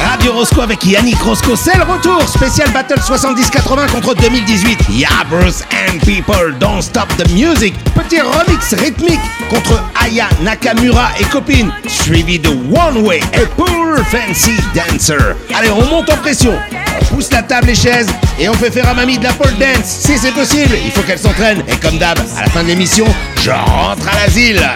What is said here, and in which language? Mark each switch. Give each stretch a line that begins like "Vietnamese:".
French: Rosco avec Yannick Rosco, c'est le retour spécial Battle 70-80 contre 2018.
English: Yeah, Bruce and People, don't stop the music.
French: Petit remix rythmique contre Aya Nakamura et copine, suivi de One Way et Poor Fancy Dancer. Allez, on monte en pression, on pousse la table et chaises et on fait faire à mamie de la pole dance. Si c'est possible, il faut qu'elle s'entraîne. Et comme d'hab, à la fin de l'émission, je rentre à l'asile.